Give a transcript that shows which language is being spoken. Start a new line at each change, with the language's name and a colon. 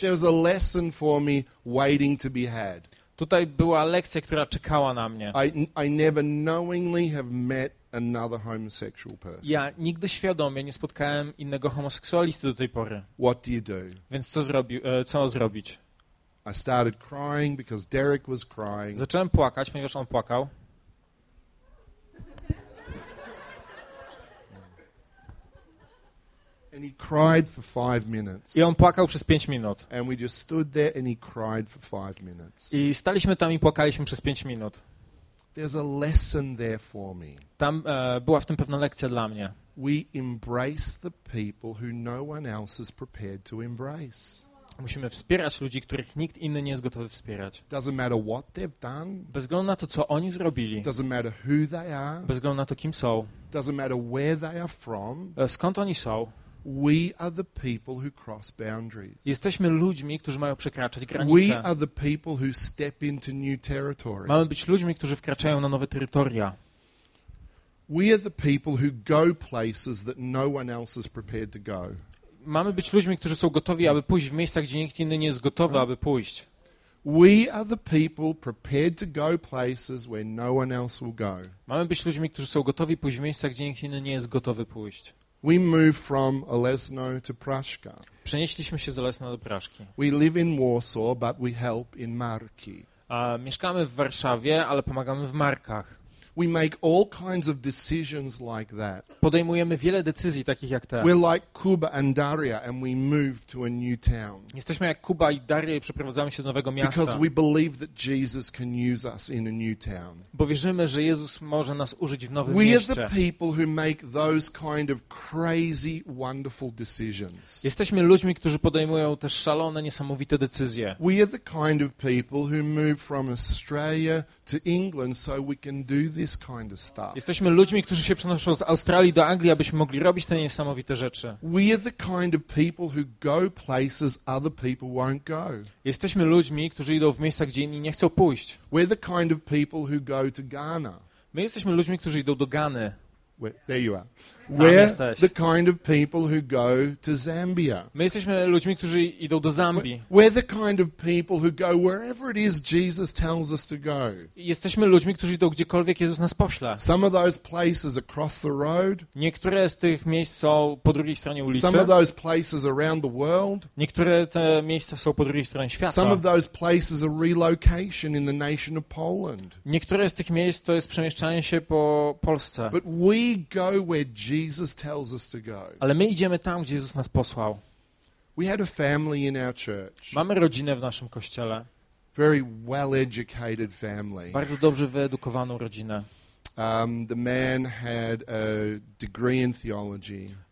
English: There was a lesson for me waiting to be had.
Polish: Tutaj była lekcja, która czekała na mnie.
English: I never knowingly have met another homosexual person.
Polish: Ja nigdy świadomie nie spotkałem innego homoseksualisty do tej pory.
English: What do you do?
Polish: Więc co zrobić?
English: I started crying because Derek was crying.
Polish: Zacząłem płakać, ponieważ on płakał.
English: And he cried for 5 minutes.
Polish: I on płakał przez 5 minut.
English: And we just stood there and he cried for 5 minutes.
Polish: I staliśmy tam i płakaliśmy przez 5 minut.
English: There's a lesson there for me.
Polish: Tam była w tym pewna lekcja dla mnie.
English: We embrace the people who no one else is prepared to embrace.
Polish: Musimy wspierać ludzi, których nikt inny nie jest gotowy wspierać.
English: Doesn't matter what they've done.
Polish: Bez względu na to, co oni zrobili.
English: Doesn't matter who they are.
Polish: Bez względu na to, kim są.
English: Doesn't matter where they are from.
Polish: Skąd oni są.
English: We are the people who cross boundaries.
Polish: Jesteśmy ludźmi, którzy mają przekraczać granice.
English: We are the people who step into new territory.
Polish: Mamy być ludźmi, którzy wkraczają na nowe terytoria.
English: We are the people who go places that no one else is prepared to go.
Polish: Mamy być ludźmi, którzy są gotowi, aby pójść w miejsca, gdzie nikt inny nie jest gotowy, aby pójść.
English: We are the people prepared to go places where no one else will go.
Polish: Mamy być ludźmi, którzy są gotowi pójść w miejsca, gdzie nikt inny nie jest gotowy pójść.
English: We move from Olesno to Praszka.
Polish: Przenieśliśmy się z Olesna do Praszki.
English: We live in Warsaw, but we help in Marki.
Polish: Mieszkamy w Warszawie, ale pomagamy w Markach.
English: We make all kinds of decisions like that.
Polish: Podejmujemy wiele decyzji takich jak te.
English: We're like Kuba and Daria and we move to a new town.
Polish: Jesteśmy jak Kuba i Daria i przeprowadzamy się do nowego miasta.
English: Because we believe that Jesus can use us in a new town.
Polish: Bo wierzymy, że Jezus może nas użyć w nowym mieście.
English: We are the people who make those kind of crazy, wonderful decisions.
Polish: Jesteśmy ludźmi, którzy podejmują te szalone, niesamowite decyzje.
English: We are the kind of people who move from Australia to England so we can do this kind of stuff.
Polish: Jesteśmy ludźmi, którzy się przenoszą z Australii do Anglii, abyśmy mogli robić te niesamowite rzeczy.
English: We are the kind of people who go places other people won't go.
Polish: Jesteśmy ludźmi, którzy idą w miejsca, gdzie inni nie chcą pójść.
English: We're the kind of people who go to Ghana.
Polish: My jesteśmy ludźmi, którzy idą do Gany.
English: There you are. We're the kind of people who go to Zambia.
Polish: My jesteśmy ludźmi, którzy idą do Zambii.
English: We're the kind of people who go wherever it is Jesus tells us to go.
Polish: Jesteśmy ludźmi, którzy idą gdziekolwiek Jezus nas pośle.
English: Some of those places across the road.
Polish: Niektóre z tych miejsc są po drugiej stronie ulicy.
English: Some of those places around the world.
Polish: Niektóre te miejsca są po drugiej stronie świata.
English: Some of those places are relocation in the nation of Poland.
Polish: Niektóre z tych miejsc to jest przemieszczanie się po Polsce.
English: But we go where Jesus tells us to go.
Polish: Ale my idziemy tam, gdzie Jezus nas posłał.
English: We had a family in our church.
Polish: Mamy rodzinę w naszym kościele.
English: Very well educated family.
Polish: Bardzo dobrze wyedukowaną rodzinę.
English: The man had a degree in theology.